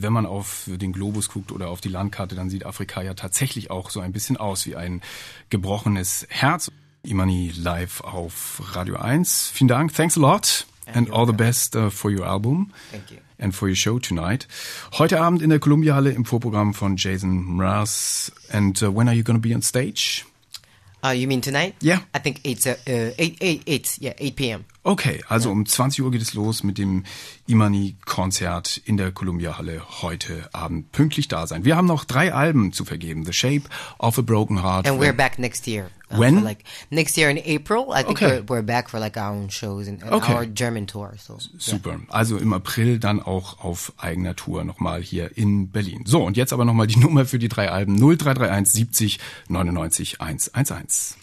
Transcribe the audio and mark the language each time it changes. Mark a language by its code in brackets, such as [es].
[de] Wenn man auf den Globus guckt oder auf die Landkarte, dann sieht Afrika ja tatsächlich auch so ein bisschen aus wie ein gebrochenes Herz. Imani live auf Radio 1. Vielen Dank. [en] Thanks a lot. And all the best for your album. Thank you. And for your show tonight. [de] Heute Abend in der Columbia Halle im Vorprogramm von Jason Mraz. [en] And when are you going to be on stage? You mean tonight? Yeah. I think it's 8 p.m. [de] Okay, also um 20 Uhr geht es los mit dem Imani-Konzert in der Columbia Halle heute Abend. Pünktlich da sein. Wir haben noch 3 Alben zu vergeben. [en] The Shape of a Broken Heart. And we're back next year. When? Like next year in April. I think we're back for like our own shows and our German tour. So, super. Yeah. [de] Also im April dann auch auf eigener Tour nochmal hier in Berlin. So, und jetzt aber nochmal die Nummer für die 3 Alben. 0331 70 99 111.